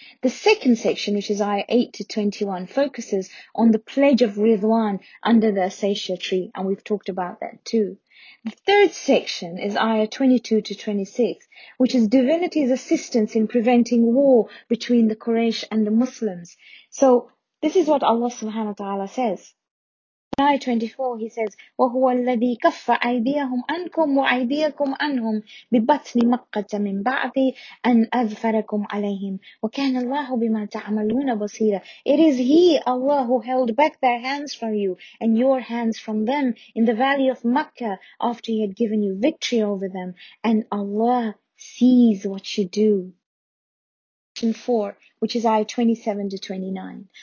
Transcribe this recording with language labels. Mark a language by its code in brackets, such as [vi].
[en] The second section, which is ayah 8 to 21, focuses on the Pledge of Ridwan under the Acacia tree, and we've talked about that too. The third section is ayah 22 to 26, which is divinity's assistance in preventing war between the Quraysh and the Muslims. So this is what Allah subhanahu wa ta'ala says. In ayah 24, he says, [ar] وَهُوَ الَّذِي كَفَّ أَيْدِيَهُمْ أَنْكُمْ وَأَيْدِيَكُمْ أَنْهُمْ بِبَطْنِ مَقَّةَ مِنْ بَعْدِ أَنْ أَذْفَرَكُمْ عَلَيْهِمْ وَكَانَ اللَّهُ بِمَا تَعْمَلُونَ بَصِيرًا. [en] It is He, Allah, who held back their hands from you and your hands from them in the valley of Makkah after He had given you victory over them. And Allah sees what you do. 4, which is ayah 27 to 29.